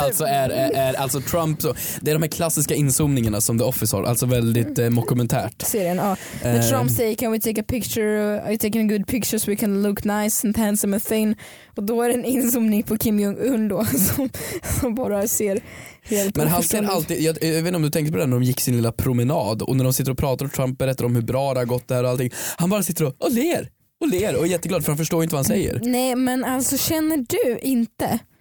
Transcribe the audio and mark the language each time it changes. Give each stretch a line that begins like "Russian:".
Swedish: alltså är alltså Trump, så det är de här klassiska inzoomningarna som The Office har, alltså väldigt mockumentärt. Serien, ja. När Trump säger,
English: can we take a picture, are you taking a good picture so we can look nice and handsome and thin?
Swedish: Och då är det en inzoomning på Kim Jong-un då som bara ser helt... Men han ser alltid, jag vet inte om du tänkte på det, när de gick sin lilla promenad och när de sitter och pratar och Trump berättar om hur bra det har gått där och allting, han bara sitter och ler. Och ler och är jätteglad, för han förstår inte vad han säger. Nej, men alltså, känner du inte?